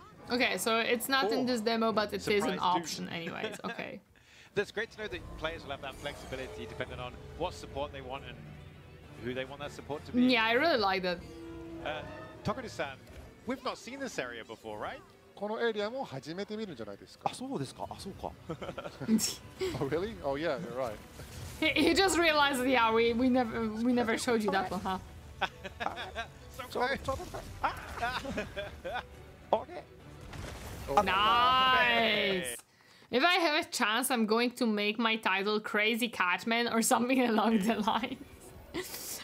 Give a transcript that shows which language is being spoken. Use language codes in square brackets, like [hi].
[en] Okay, so it's not in this demo, but it is an option anyways. Okay. That's great to know that players will have that flexibility depending on what support they want and who they want that support to be. Yeah, I really like that. Takeru-san, we've not seen this area before, right? [ja] このエリアも初めて見るんじゃないですか? あ、そうですか?あ、そうか。 [en] Oh, really? Oh, yeah, you're right. He just realized, yeah, we never showed you that one, huh? Nice! If I have a chance, I'm going to make my title Crazy Catman or something along the lines.